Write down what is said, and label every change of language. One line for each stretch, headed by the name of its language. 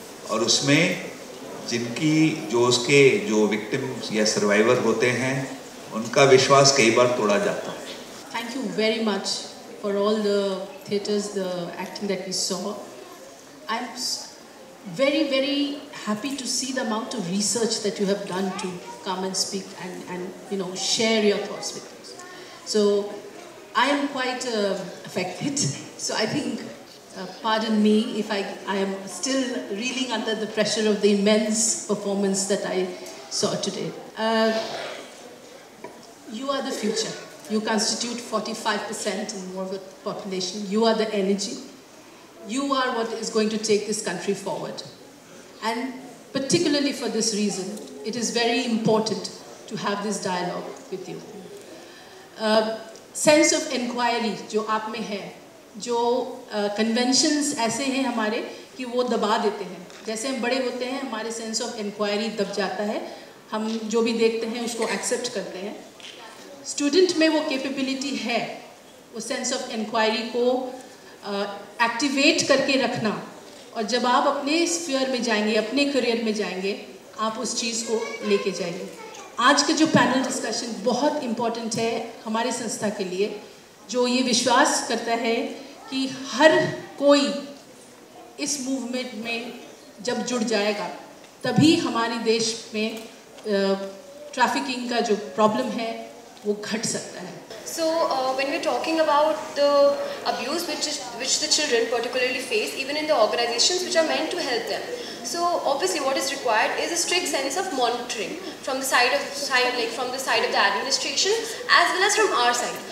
Hindi: और उसमें जिनकी जो उसके जो विक्टिम्स या सर्वाइवर होते हैं उनका विश्वास कई बार तोड़ा जाता है।
English: Thank you very much for all the theatres the acting that we saw. I am very very happy to see the amount of research that you have done to come and speak and you know share your thoughts with us. So I am quite affected, so I think pardon me if I am still reeling under the pressure of the immense performance that I saw today. You are the future. You constitute 45% and more of the population. You are the energy. You are what is going to take this country forward. And particularly for this reason, it is very important to have this dialogue with you. Sense of inquiry
Hindi: जो आप में है, जो conventions ऐसे हैं हमारे कि वो दबा देते हैं, जैसे हम बड़े होते हैं हमारे
English: sense of inquiry
Hindi: दब जाता है, हम जो भी देखते हैं उसको accept करते हैं। student में वो capability है, वो
English: sense of inquiry
Hindi: को activate करके रखना, और जब आप अपने sphere में जाएंगे, अपने career में जाएंगे, आप उस चीज़ को लेके जाएंगे। आज का जो पैनल डिस्कशन बहुत इम्पॉर्टेंट है हमारे संस्था के लिए, जो ये विश्वास करता है कि हर कोई इस मूवमेंट में जब जुड़ जाएगा तभी हमारे देश में ट्रैफिकिंग का जो प्रॉब्लम है वो घट सकता है।
English: So when we're talking about the abuse which the children particularly face, even in the organizations which are meant to help them, so obviously what is required is a strict sense of monitoring from the side of the administration as well as from our side.